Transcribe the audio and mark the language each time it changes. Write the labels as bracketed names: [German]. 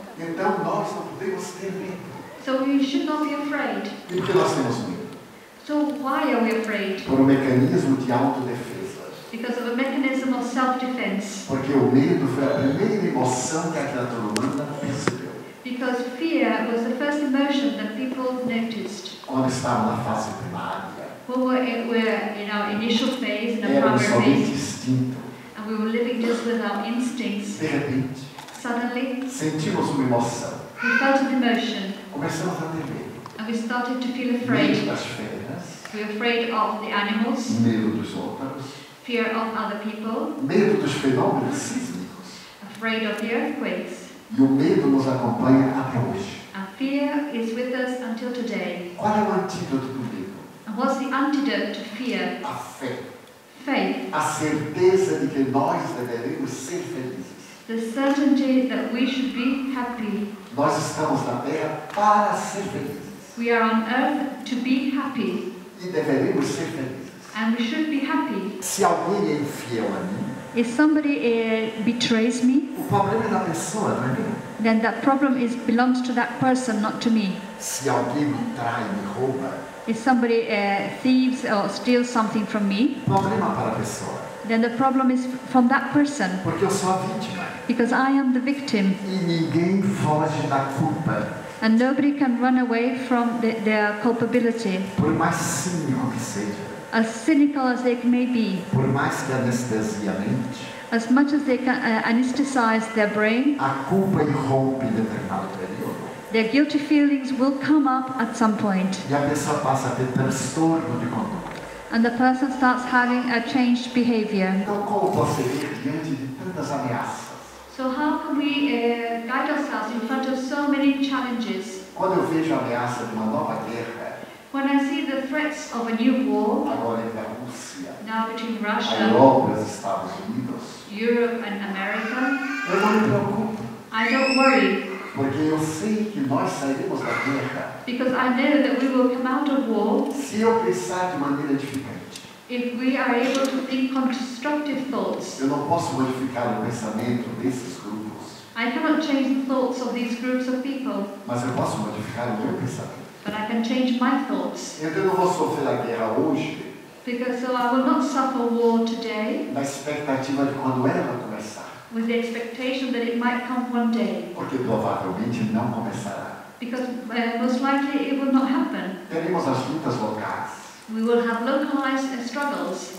[Portuguese] Então nós não podemos ter medo. [English] So we should not be afraid. [Portuguese] E por que nós temos medo? [English] So why are we afraid? [Portuguese] Por um mecanismo de autodefesa. [English] Because of a mechanism of self-defense. [Portuguese] Porque o medo foi a primeira emoção que a criatura humana percebeu. [English] Because fear was the first emotion that people noticed. [Portuguese] Quando estávamos na fase primária. [English] When we were in our initial phase, in our primary phase. [Portuguese] Instinto. [English] And we were living just with our instincts. [Portuguese] De repente. [English] Suddenly. [Portuguese] Sentimos uma emoção. [English] We felt an emotion. [Portuguese] Começamos a ter medo. [English] And we started to feel afraid. [Portuguese] Medo das feras. [English] We were afraid of the animals. [Portuguese] Medo dos outros. [English] Fear of other people. [Portuguese] Medo dos fenômenos sísmicos. [English] Afraid of the earthquakes. [Portuguese] E o medo nos acompanha até hoje. [English] And fear is with us until today. [Portuguese] Qual é o antídoto do medo? [English] And what's the antidote to fear? [Portuguese] A fé. [English] Faith. [Portuguese] A certeza de que nós deveremos ser felizes. [English] The certainty that we should be happy. [Portuguese] Nós estamos na Terra para ser felizes. [English] We are on Earth to be happy. [Portuguese] E deveremos ser felizes. [English] And we should be happy. [Portuguese] Se alguém é infiel a mim. [English] If somebody betrays me, [Portuguese] o problema é da pessoa, não é mim? [English] Then that problem is belongs to that person, not to me. [Portuguese] Se alguém me trai, me rouba, [English] if somebody thieves or steals something from me, [Portuguese] problema para a pessoa. [English] Then the problem is from that person. [Portuguese] Porque eu sou a vítima. [English] Because I am the victim. [Portuguese] E ninguém foge da culpa. [English] And nobody can run away from their culpability. [Portuguese] Por mais cínico que seja. [English] As cynical as they may be. [Portuguese] Por mais que anestesie a mente. [English] As much as they can anesthetize their brain. [Portuguese] A culpa irrompe em determinado período. [English] Their guilty feelings will come up at some point. [Portuguese] E a pessoa passa a ter transtorno de conduta. [English] And the person starts having a changed behavior. [Portuguese] Então, como posso ver diante de tantas ameaças? [English] So how can we guide ourselves in front of so many challenges? [Portuguese] Quando eu vejo a ameaça de uma nova guerra, [English] when I see the threats of a new war, [Portuguese] agora entre a Rússia, [English] now between Russia, [Portuguese] a Europa e os Estados Unidos, [English] Europe and America, [Portuguese] eu não me preocupo. [English] I don't worry. [Portuguese] Porque eu sei que nós sairemos da guerra. [English] Because I know that we will come out of war. [Portuguese] Se eu pensar de maneira diferente. [English] If we are able to think constructive thoughts. [Portuguese] Eu não posso modificar o pensamento desses grupos. [English] I cannot change the thoughts of these groups of people. [Portuguese] Mas eu posso modificar o meu pensamento. [English] But I can change my thoughts. [Portuguese] Então eu não vou sofrer a guerra hoje. [English] Because so I will not suffer war today. [Portuguese] Na expectativa de quando ela começar. [English] With the expectation that it might come one day. [Portuguese] Porque provavelmente não começará. [English] Because most likely it will not happen. [Portuguese] Teremos as lutas locais. [English] We will have localized struggles.